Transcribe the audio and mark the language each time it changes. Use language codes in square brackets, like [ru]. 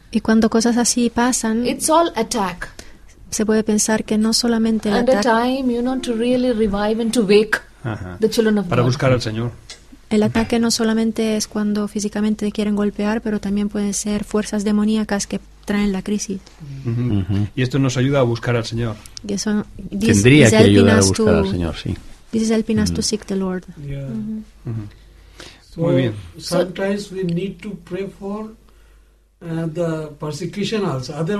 [es] Y cuando cosas así pasan, [en] it's all attack. [es] Se puede pensar que no solamente [en] and [es] el ataque, [en] a time, you know, to really revive and to wake the children of God. [es] Para buscar al Señor. El ataque no solamente es cuando físicamente quieren golpear, pero también pueden ser fuerzas demoníacas que traen la crisis. Y esto nos ayuda a buscar al Señor. Y eso, tendría que ayudar a buscar al Señor, sí. [en] This is helping us to seek the Lord. Yeah. So, [es] muy bien. [en] Sometimes we need to pray for the persecution also.